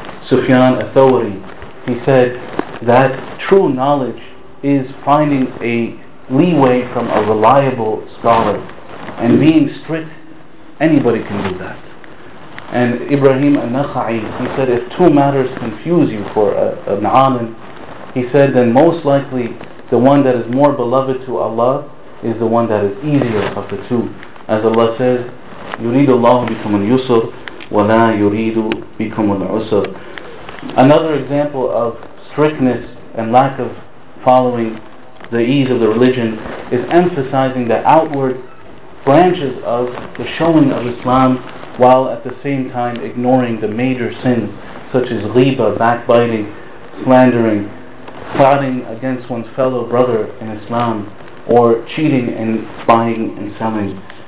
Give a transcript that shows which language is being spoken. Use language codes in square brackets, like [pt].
[en] Sufyan al-Thawri, he said that true knowledge is finding a leeway from a reliable scholar and being strict. Anybody can do that. And Ibrahim al-Nakhai, he said, if two matters confuse you for an alim, he said, then most likely the one that is more beloved to Allah is the one that is easier of the two. As Allah says, [ar] يُرِيدُ اللَّهُ بِكُمُ الْيُسُرُ وَلَا يُرِيدُ بِكُمُ الْعُسُرُ. [en] Another example of strictness and lack of following the ease of the religion is emphasizing the outward branches of the showing of Islam while at the same time ignoring the major sins such as riba, backbiting, slandering, plotting against one's fellow brother in Islam, or cheating and buying and selling.